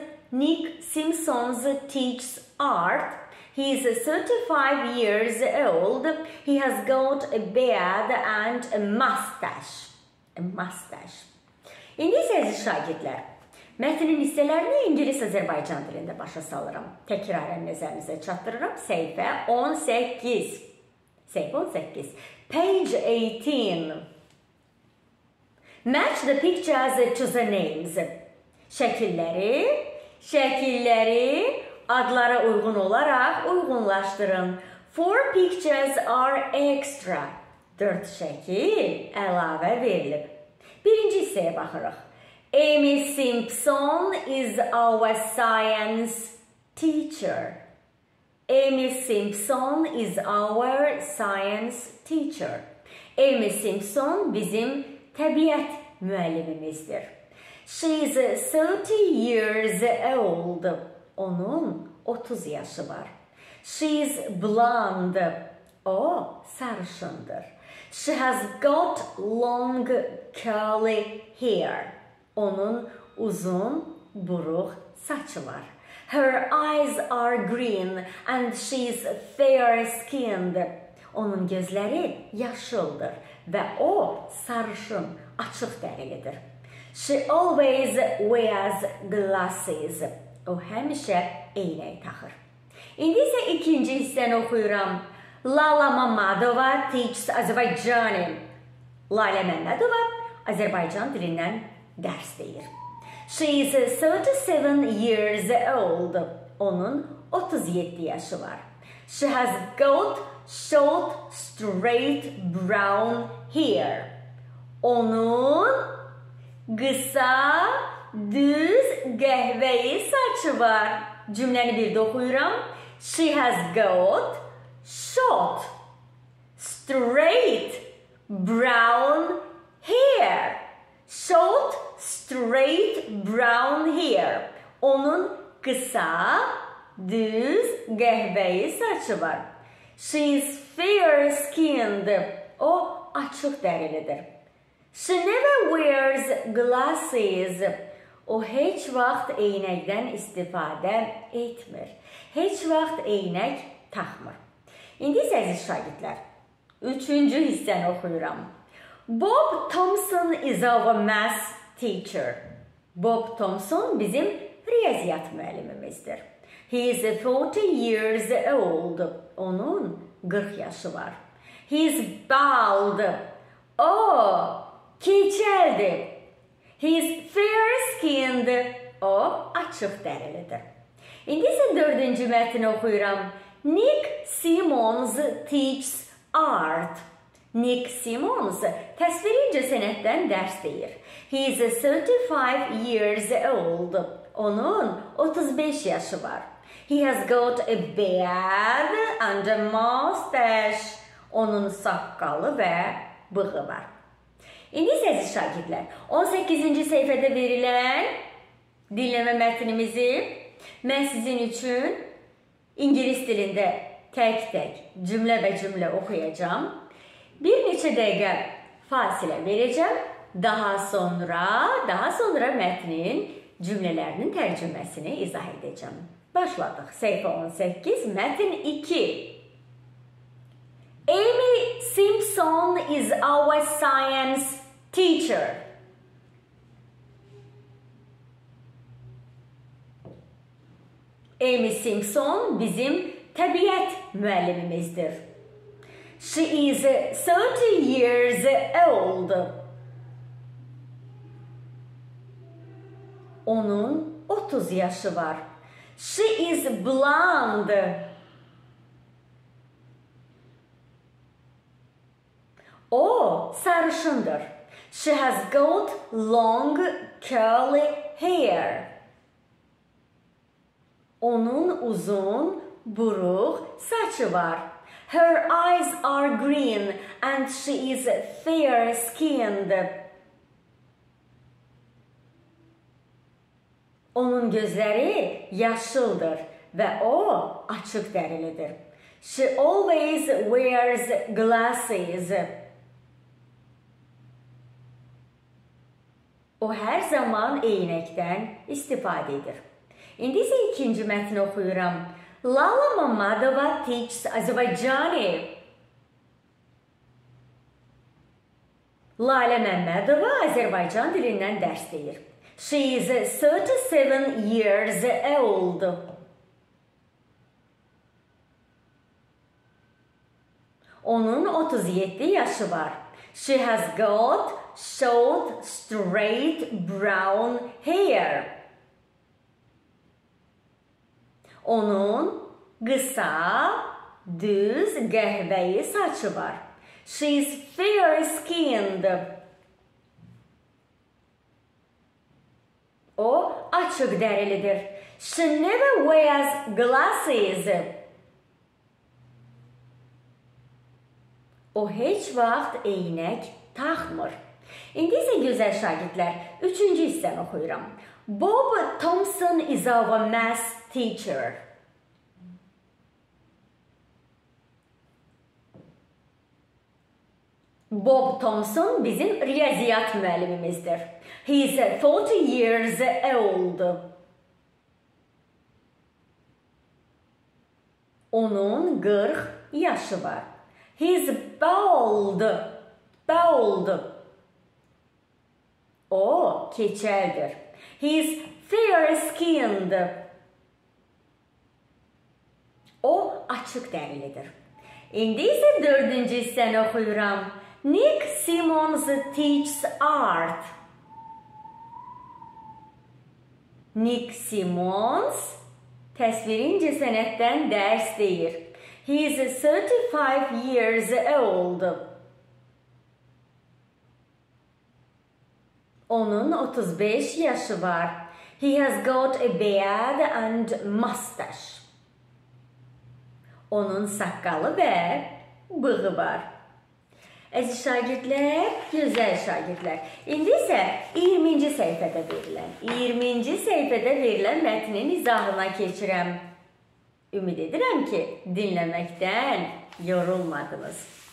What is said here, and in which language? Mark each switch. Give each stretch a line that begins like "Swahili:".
English: Nick Simpson's teaches art. He is 35 years old. He has got a beard and a mustache.
Azerbaijani: İndi isə şagirdlər, mətnin hissələrini İngilis-Azərbaycan dilində başa salıram. Təkrarən nəzərinizə çatdırıram. Səhifə 18.
English: Page 18. Match the pictures to the names.
Azerbaijani: Şəkilləri adlara uyğun olaraq uyğunlaşdırın.
English: 4 pictures are extra.
Azerbaijani: 4 şəkil əlavə verilib. Birinci hissəyə baxırıq.
English: Amy Simpson is our science teacher. Amy Simpson is our science teacher.
Azerbaijani: Amy Simpson bizim təbiət müəllimimizdir.
English: She is 30 years old.
Azerbaijani: Onun 30 yaşı var.
English: She is blonde.
Azerbaijani: O sarışındır.
English: She has got long curly hair.
Azerbaijani: Onun uzun buruq saçı var.
English: Her eyes are green and she is fair skinned.
Azerbaijani: Onun gözləri yaşıldır və o sarışın, açıq dərilidir.
English: She always wears glasses.
Azerbaijani: O həmişə eynək taxır. İndi isə ikinci hissəni oxuyuram.
English: Lala Mamadova teaches Azerbaijani.
Azerbaijani: Lalə Məmmədova Azərbaycan dilindən dərs deyir.
English: She is 37 years old.
Azerbaijani: Onun 37 yaşı var.
English: She has got short, straight, brown hair.
Azerbaijani: Onun qısa, düz, qəhvəyi saçı var. Cümləni bir də oxuyuram.
English: She has got short, straight, brown hair. Short, straight, brown hair.
Azerbaijani: Onun qısa, düz, qəhvəyi saçı var.
English: She is fair skinned.
Azerbaijani: O açıq dərilidir.
English: She never wears glasses.
Azerbaijani: O heç vaxt eynəkdən istifadə etmir. Heç vaxt eynək taxmır. İndi isə əziz şagirdlər, üçüncü hissəni oxuyuram.
English: Bob Thompson is our math teacher.
Azerbaijani: Bob Thompson bizim riyaziyyat müəllimimizdir.
English: He is 40 years old.
Azerbaijani: Onun 40 yaşı var.
English: He is bald.
Azerbaijani: O, keçəldir.
English: He is fair skinned.
Azerbaijani: O, açıq dərilidir. İndi isə dördüncü mətni oxuyuram.
English: Nick Simmons teaches art.
Azerbaijani: Nick Simmons təsvirincə sənətdən dərs deyir.
English: He is 35 years old.
Azerbaijani: Onun 35 yaşı var.
English: He has got a beard and a mustache.
Azerbaijani: Onun saqqalı və bığı var. İndi isə əziz şagirdlər, 18-ci səhifədə verilən dinləmə mətnimizi mən sizin üçün İngilis dilində tək-tək cümlə və cümlə oxuyacağım. Bir neçə dəqiqə fasilə verəcəm. Daha sonra mətnin cümlələrinin tərcüməsini izah edəcəm. Başladıq. Səhifə 18, mətn 2.
English: Amy Simpson is our science teacher.
Azerbaijani: Amy Simpson bizim təbiət müəllimimizdir.
English: She is 30 years old.
Azerbaijani: Onun 30 yaşı var.
English: She is blonde.
Azerbaijani: O sarışındır.
English: She has got long curly hair.
Azerbaijani: Onun uzun buruq saçı var.
English: Her eyes are green and she is fair skinned.
Azerbaijani: Onun gözləri yaşıldır və o açıq dərilidir.
English: She always wears glasses.
Azerbaijani: O hər zaman eynəkdən istifadə edir. İndi isə ikinci mətni oxuyuram.
English: Lala Mamadova teaches Azərbaycani.
Azerbaijani: Lalə Məmmədova Azərbaycan dilindən dərs deyir.
English: She is 37 years old.
Azerbaijani: Onun 37 yaşı var.
English: She has got short, straight, brown hair.
Azerbaijani: Onun qısa, düz, qəhvəyi saçı var.
English: She is fair skinned.
Azerbaijani: O açıq dərilidir.
English: She never wears glasses.
Azerbaijani: O heç vaxt eynək taxmır. İndi isə gözəl şagirdlər, üçüncü hissəni oxuyuram.
English: Bob Thompson is our math teacher.
Azerbaijani: Bob Thompson bizim riyaziyyat müəllimimizdir.
English: He is 40 years old.
Azerbaijani: Onun 40 yaşı var.
English: He is bald. Bald.
Azerbaijani: O keçəldir.
English: He is fair-skinned.
Azerbaijani: O açıq dərilidir. İndi isə 4-cü hissəni oxuyuram.
English: Nick Simmons teaches art.
Azerbaijani: Nick Simmons təsvirincə sənətdən dərs deyir.
English: He is 35 years old.
Azerbaijani: Onun 35 yaşı var.
English: He has got a beard and mustache.
Azerbaijani: Onun saqqalı və bığı var. Əziz şagirdlər, gözəl şagirdlər. İndi isə 20-ci səhifədə verilən, 20-ci səhifədə verilən mətnin izahına keçirəm. Ümid edirəm ki, dinləməkdən yorulmadınız.